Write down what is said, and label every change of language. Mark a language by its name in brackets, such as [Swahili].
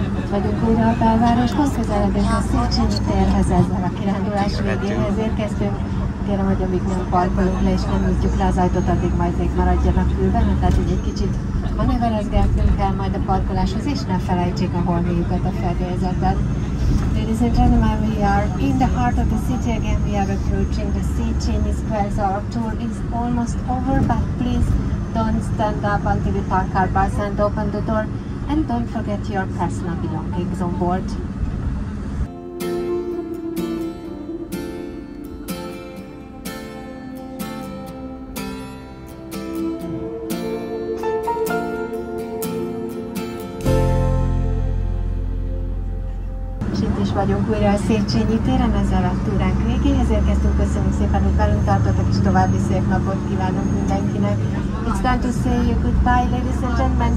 [Hungarian] vagyunk újra a belvároshoz, közeledünk a Széchenyi térhez, ezzel a kirándulás végéhez érkeztünk. Kérem, hogy amíg nem parkolunk le és nem nyitjuk le az ajtót, addig majd még maradjanak külben, tehát így egy kicsit manőverezgetnünk kell majd a parkoláshoz, és ne felejtsék a holmiukat a fedélzetben. [English] Ladies and gentlemen, we are in the heart of the city again. We are approaching the Széchenyi Square, so our tour is almost over, but please don't stand up until we park our bus and open the door. And don't forget your personal belongings on board. [Hungarian] Vagyunk újra a Széchenyi téren, ezzel a túránk végéhez érkeztünk. Köszönjük szépen, hogy velünk tartottak, és további szép napot kívánunk mindenkinek. [English] It's time to say you goodbye, ladies and gentlemen.